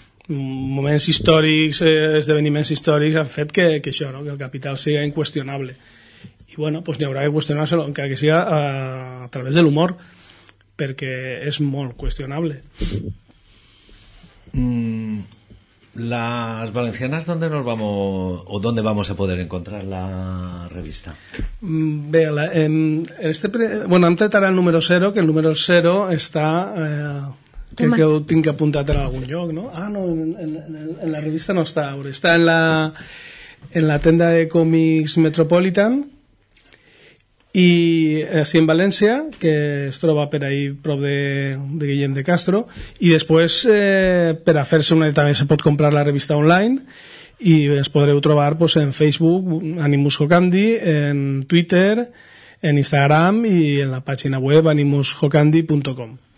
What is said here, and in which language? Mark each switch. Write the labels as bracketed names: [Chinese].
[Catalan] Moments històrics, esdeveniments històrics han fet que això, no?, que el capital sigui inqüestionable, i bueno, pues n'hi haurà que qüestionar-se-lo, encara que sigui a través de l'humor, perquè és molt qüestionable. [Spanish] Las valencianas, ¿dónde nos vamos o dónde vamos a poder encontrar la revista? [Catalan] Bé, hem tret ara el número 0, que el número 0 està, crec que ho tinc apuntat en algun lloc, no? Ah, no, en la revista no està, està en la tenda de còmics Metropolitan, i així en València, que es troba per ahí prop de Guillem de Castro, i després per a fer-se una, també se pot comprar la revista online, i es podreu trobar pues, en Facebook Animus Jocandi, en Twitter, en Instagram i en la pàgina web animusjocandi.com,